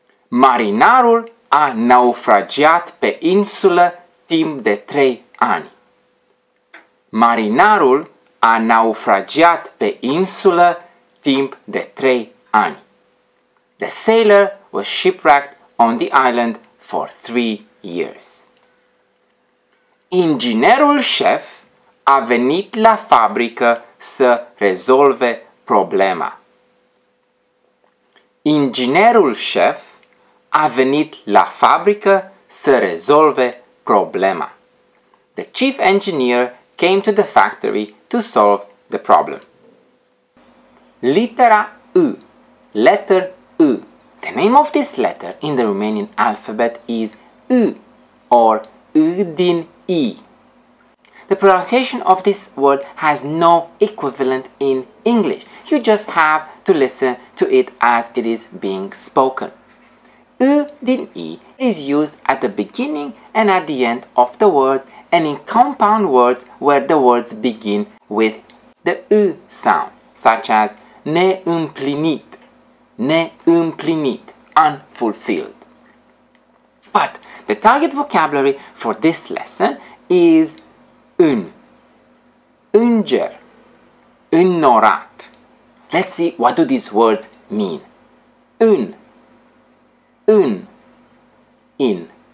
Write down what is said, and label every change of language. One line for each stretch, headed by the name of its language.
Romanian: Marinarul a naufragiat pe insulă timp de 3 ani. Marinarul a naufragiat pe insulă timp de 3 ani.
English: The sailor was shipwrecked on the island for 3 years.
Romanian: Inginerul șef a venit la fabrică să rezolve problema. Inginerul șef a venit la fabrică să rezolve problema.
English: The chief engineer came to the factory to solve the problem.
Romanian: Litera U.
English: Letter U. The name of this letter in the Romanian alphabet is U or U din I. The pronunciation of this word has no equivalent in English. You just have to listen to it as it is being spoken. U din I is used at the beginning and at the end of the word and in compound words where the words begin with the U sound, such as neîmplinit, neîmplinit, unfulfilled. But the target vocabulary for this lesson is în, înger, înnorat. Let's see what do these words mean. În, în, in.